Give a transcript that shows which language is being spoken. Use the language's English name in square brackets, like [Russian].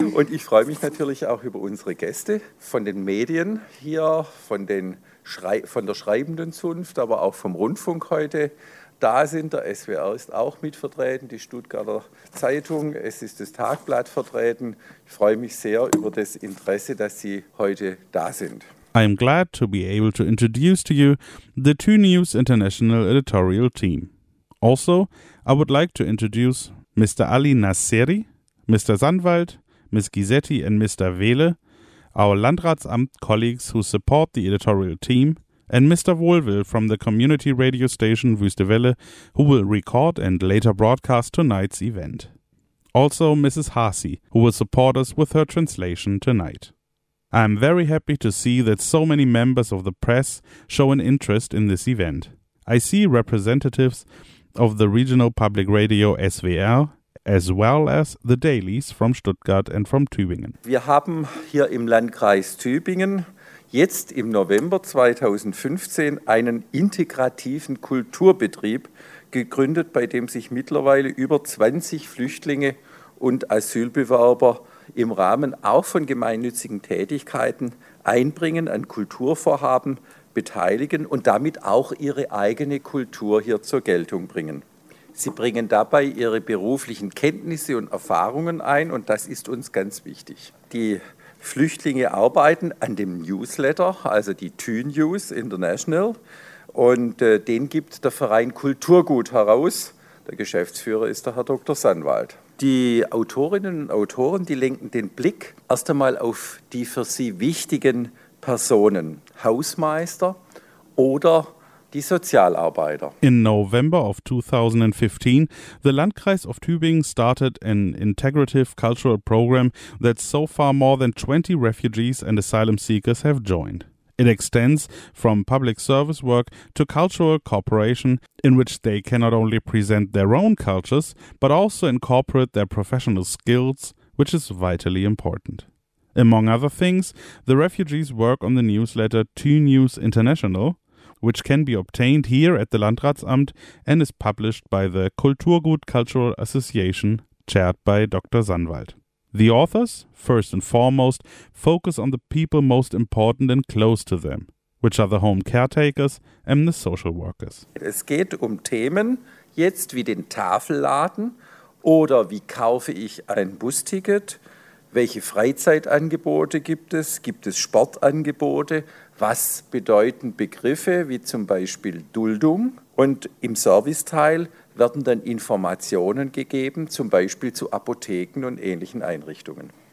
[German] Und ich freue mich natürlich auch über unsere Gäste von den Medien hier, von der schreibenden Zunft, aber auch vom Rundfunk heute da sind. Der SWR ist auch mitvertreten, die Stuttgarter Zeitung, es ist das Tagblatt vertreten. Ich freue mich sehr über das Interesse, dass Sie heute da sind. [English] I am glad to be able to introduce to you the TÜNews International editorial team. Also, I would like to introduce Mr. Ali Nasseri, Mr. Sanwald, Ms. Gisetti and Mr. Wehle, our Landratsamt colleagues who support the editorial team, and Mr. Wohlwill from the community radio station Wüste Welle, who will record and later broadcast tonight's event. Also Mrs. Hasi, who will support us with her translation tonight. I am very happy to see that so many members of the press show an interest in this event. I see representatives of the regional public radio SWR, as well as the dailies from Stuttgart and from Tübingen. [German] Wir haben hier im Landkreis Tübingen jetzt im November 2015 einen integrativen Kulturbetrieb gegründet, bei dem sich mittlerweile über 20 Flüchtlinge und Asylbewerber im Rahmen auch von gemeinnützigen Tätigkeiten einbringen, an Kulturvorhaben beteiligen und damit auch ihre eigene Kultur hier zur Geltung bringen. Sie bringen dabei ihre beruflichen Kenntnisse und Erfahrungen ein und das ist uns ganz wichtig. Die Flüchtlinge arbeiten an dem Newsletter, also die Tü News International, und den gibt der Verein Kulturgut heraus. Der Geschäftsführer ist der Herr Dr. Sanwald. Die Autorinnen und Autoren, die lenken den Blick erst einmal auf die für sie wichtigen Personen, Hausmeister oder die Sozialarbeiter. [English] In November of 2015, the Landkreis of Tübingen started an integrative cultural program that so far more than 20 refugees and asylum seekers have joined. It extends from public service work to cultural cooperation, in which they can not only present their own cultures, but also incorporate their professional skills, which is vitally important. Among other things, the refugees work on the newsletter Tü News International, which can be obtained here at the Landratsamt and is published by the Kulturgut Cultural Association, chaired by Dr. Sanwald. The authors, first and foremost, focus on the people most important and close to them, which are the home caretakers and the social workers. [German] Es geht um Themen jetzt wie den Tafelladen oder wie kaufe ich ein Busticket, welche Freizeitangebote gibt es Sportangebote, was bedeuten Begriffe wie zum Beispiel Duldung, und im Serviceteil werden dann Informationen gegeben, zum Beispiel zu Apotheken und ähnlichen Einrichtungen.